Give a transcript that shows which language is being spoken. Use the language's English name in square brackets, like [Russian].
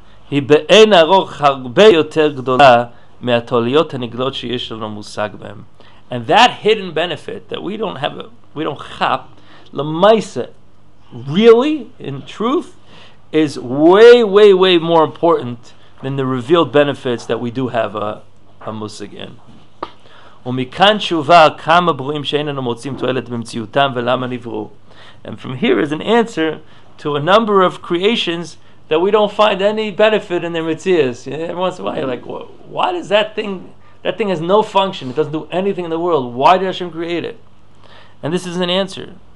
[Hebrew] היא באין ארוך הרבה יותר גדולה מהתועלות הנגלות שיש לנו מושג בהם. [English] And that hidden benefit that we don't have, למעשה, really, in truth, is way, way, way more important than the revealed benefits that we do have a mussag in. [Hebrew] ומכאן תשובה כמה ברואים שאין לנו מוצאים תועלת במציאותם ולמה נבראו. [English] And from here is an answer to a number of creations that we don't find any benefit in their metzias. Every once in a while, you're like, why does that thing, has no function, it doesn't do anything in the world, why did Hashem create it? And this is an answer.